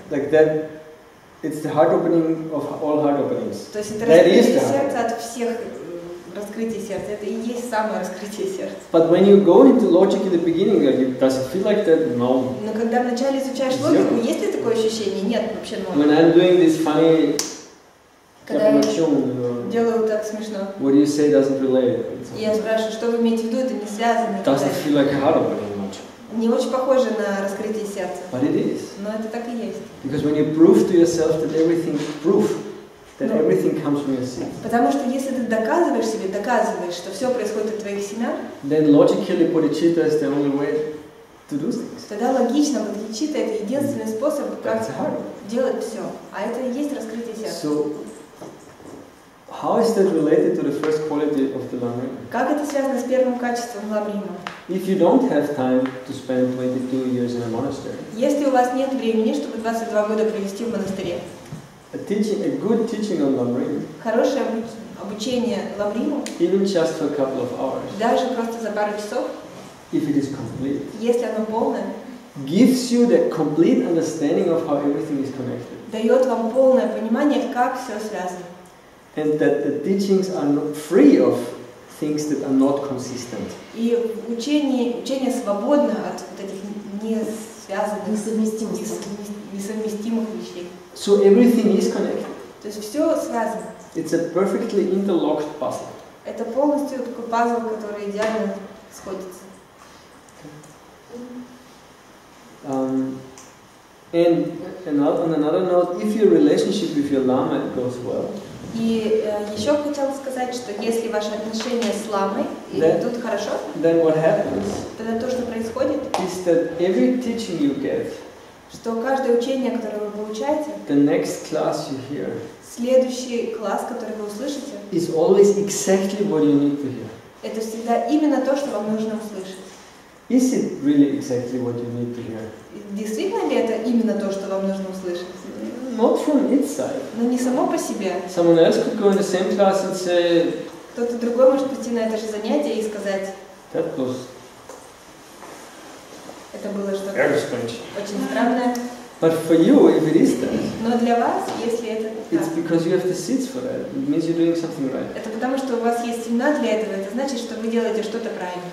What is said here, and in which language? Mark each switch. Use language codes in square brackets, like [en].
[en] Like that, it's the heart opening of all heart openings. [ru] То есть это раскрытие сердца от всех раскрытий сердца. Это и есть самое раскрытие сердца. [en] But when you go into logic in the beginning, does it feel like that? No. [ru] Но когда вначале изучаешь логику, есть ли такое ощущение? Нет, вообще ноль. [en] When I'm doing this funny. [ru] Когда я делаю так смешно. [en] What do you say doesn't relate? [ru] Я спрашиваю, что вы имеете в виду, это не связано. [en] Does it feel like a heart opening? [ru] Не очень похоже на раскрытие сердца. [en] But it is. [ru] Но это так и есть. [en] Because when you prove to yourself that everything proof that no. everything comes from your seed. [ru] Потому что если ты доказываешь себе, доказываешь, что все происходит от твоих семян. [en] Then logically bodhicitta is the only way to do things. [ru] Тогда логично bodhicitta это единственный способ как делать все. А это и есть раскрытие сердца. [en] So, how is that related to the first quality of the lamrim? [ru] Как это связано с первым качеством лабрима? [en] If you don't have time to spend 22 years in a monastery. [ru] Если у вас нет времени, чтобы 22 года провести в монастыре. [en] A good teaching on lamrim. [ru] Хорошее обучение лабриму. [en] Even just for a couple of hours. [ru] Даже просто за пару часов. [en] If it is complete. [ru] Если оно полное. [en] Gives you the complete understanding of how everything is connected. [ru] Дает вам полное понимание, как все связано. [en] And that the teachings are not free of things that are not consistent. [ru] И учение свободно от вот этих не связанных, несовместимых вещей. [en] So everything is connected. [ru] То есть все связано. [en] It's a perfectly interlocked puzzle. [ru] Это полностью такой пазл, который идеально сходится. [en] And on another note, if your relationship with your lama goes well. [ru] И еще хотел сказать, что если ваши отношения с ламой идут хорошо, [en] then what happens, [ru] тогда то, что происходит, [en] is that every teaching you get, [ru] что каждое учение, которое вы получаете, [en] the next class you hear, [ru] следующий класс, который вы услышите, [en] is always exactly what you need to hear. [ru] Это всегда именно то, что вам нужно услышать. [en] Is it really exactly what you need to hear? [ru] Действительно ли это именно то, что вам нужно услышать? [en] Not from its side. [ru] Но не само по себе. [en] Someone else could go in the same class and say. [ru] Кто-то другой может прийти на это же занятие и сказать. [en] That was. [ru] Это было что-то очень странное. [en] But for you, if it is that. [ru] Но для вас, если это. [en] It's because you have the seeds for that. It means you're doing something right. [ru] Это потому что у вас есть семена для этого. Это значит, что вы делаете что-то правильно.